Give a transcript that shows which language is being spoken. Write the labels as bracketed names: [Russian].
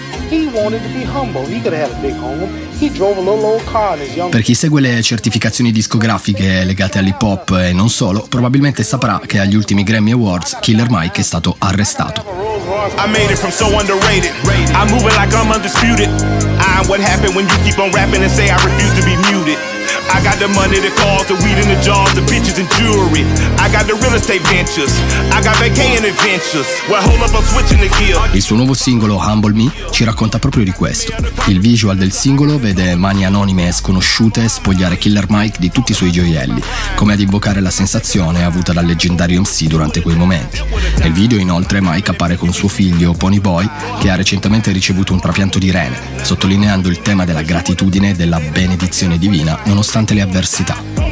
[English] He wanted to be humble, he could have a big home. [Italian] Per chi segue le certificazioni discografiche legate all'hip hop e non solo, probabilmente saprà che agli ultimi Grammy Awards Killer Mike è stato arrestato. [English] I made it from so underrated. I move it like I'm undisputed. I'm what happened when you keep on rapping and say I refuse to be muted. I got the money, the cars, the weed in the jars, the bitches and jewelry. I got the real estate ventures. I got vacation adventures. Well, hold up, I'm switching the gear. [Italian] Il suo nuovo singolo Humble Me ci racconta proprio di questo. Il visual del singolo vede mani anonime e sconosciute spogliare Killer Mike di tutti i suoi gioielli, come ad invocare la sensazione avuta dal leggendario MC durante quei momenti. Nel video inoltre Mike appare con suo figlio Pony Boy, che ha recentemente ricevuto un trapianto di rene, sottolineando il tema della gratitudine e della benedizione divina nonostante le avversità.